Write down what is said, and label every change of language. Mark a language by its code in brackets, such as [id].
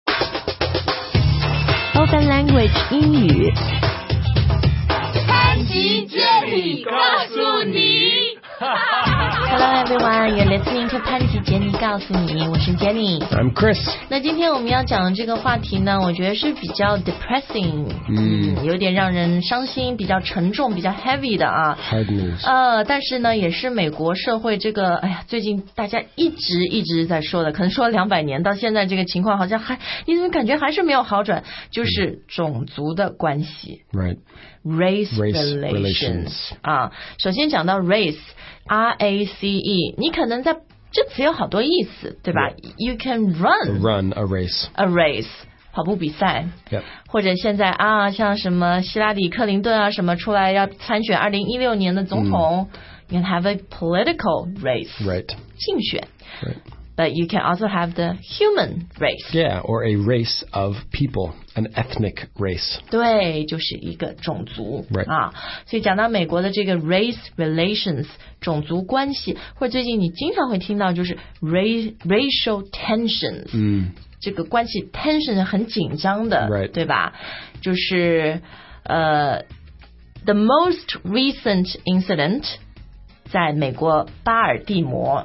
[en] Spoken Language 英语。 [zh] 潘吉杰里告诉你。 [en] Hello everyone, you're listening to 潘吉杰里告诉你，我是 Jenny. I'm Chris. [zh] 那今天我们要讲的这个话题呢，我觉得是比较 depressing， 有点让人伤心，比较沉重，比较 heavy 的啊。 [en] Hard news. [zh] 但是呢，也是美国社会这个，哎呀，最近大家一直在说的，可能说了两百年，到现在这个情况好像还，你怎么感觉还是没有好转？就是种族的关系。 [en] Right. Race relations. [zh] 啊，首先讲到 race, R-A-C-E, 你可能在这词有好多意思，对吧？ [en] You can run a race. [zh] A race. 跑步比赛、 [en] yep. [zh] 或者现在啊，像什么希拉里克林顿啊什么出来要参选2016年的总统、 [en] you can have a political race. Right. [zh] 竞选。 [en] Right. But you can also have the human race. Yeah, or a race of people, an ethnic race. [zh] 对，就是一个种族。 [en] Right. [zh] 啊，所以讲到美国的这个 race relations, 种族关系，或者最近你经常会听到就是 [en] racial tensions. [zh] 这个关系 tension 很紧张的。 [en] Right. [zh] 对吧？就是 [en] the most recent incident [zh] 在美国巴尔的摩。